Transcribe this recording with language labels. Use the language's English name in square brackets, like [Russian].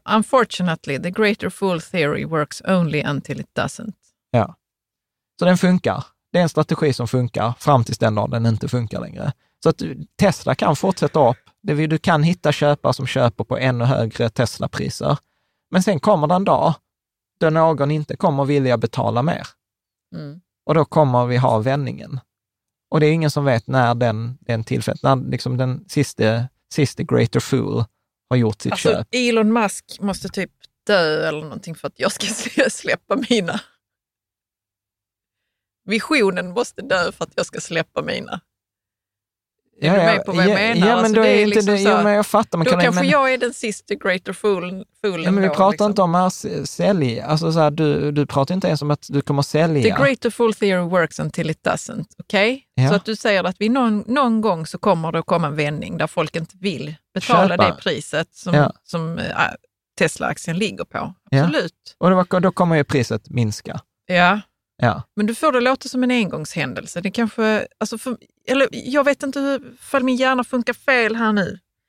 [English] Unfortunately, the greater fool theory works only until it doesn't. [Swedish] Ja. Så den funkar. Det är en strategi som funkar fram tills den dagen den inte funkar längre. Så att Tesla kan fortsätta upp. Du kan hitta köpare som köper på ännu högre Tesla-priser. Men sen kommer den dag då någon inte kommer vilja betala mer. Mm. Och då kommer vi ha vändningen. Och det är ingen som vet när den tillfället, när liksom den sista greater fool har gjort sitt köp. Elon Musk måste typ dö eller någonting för att jag ska släppa mina. Visionen måste dö för att jag ska släppa mina. Är du med på vad jag menar? Ja, men alltså, det är inte liksom det. Jo, men jag fattar. Man då kan kanske men, jag är den sista greater fool. Ja, men vi då, pratar liksom inte om att sälja. Alltså, så här, du pratar inte ens om att du kommer att sälja. [English] The greater fool theory works until it doesn't. [Swedish] Okej? Okay? Ja. Så att du säger att vi någon gång så kommer det att komma en vändning där folk inte vill betala köpa det priset som Tesla-aktien ligger på. Absolut. Ja. Och då kommer ju priset minska. Ja. Ja. Men du får det låta som en engångshändelse. Det kanske, alltså för, eller jag vet inte hur för min hjärna funkar fel här nu.